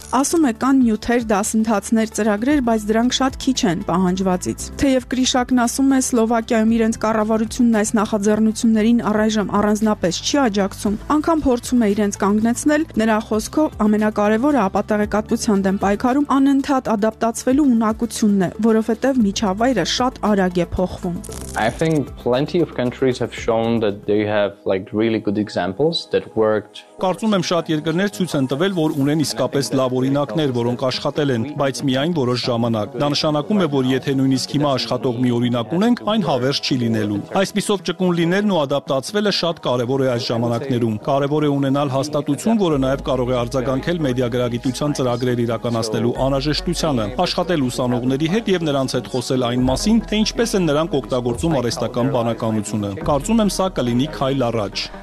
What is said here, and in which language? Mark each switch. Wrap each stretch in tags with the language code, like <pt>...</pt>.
<hy>Ասում է, կան նյութեր, դասընթացներ, ծրագրեր, բայց դրանք շատ քիչ են պահանջվածից։ Թեև Գրիշակն ասում է, Սլովակիայում իրենց կառավարությունն այս նախաձեռնություններին առայժմ առանձնապես չի աջակցում, անգամ փորձում է իրենց կանգնեցնել, նրա խոսքով ամենակարևորը ապատեղեկատվության դեմ պայքարում անընդհատ ադապտացվելու ունակությունն է, որովհետև միջավայրը շատ արագ է փոխվում։</hy> <en>I think plenty of countries have shown that they have like really good examples that worked.</en> <hy>Կարծում եմ շատ երկրներ ցույց են տվել, որ ունեն իսկապես լավ օրինակներ, որոնք աշխատել են, բայց միայն որոշ ժամանակ։ Դա նշանակում է, որ եթե նույնիսկ հիմա աշխատող մի օրինակ ունենք, այն հավերժ չի լինելու։ Այսպիսով ճկուն լինելն ու ադապտացվելը շատ կարևոր է այս ժամանակներում։ Կարևոր է ունենալ հաստատություն, որը նաև կարող է արձագանքել մեդիագրագիտության ծրագրեր իրականացնելու անհրաժեշտությանը, աշխատել ուսանողների հետ եւ նրանց հետ խոսել այն մասին, թե ինչպես են նրանք օգտագործում արեստական բանականությունը։ Կարծում եմ, սա կլինի քայլ առաջ։</hy>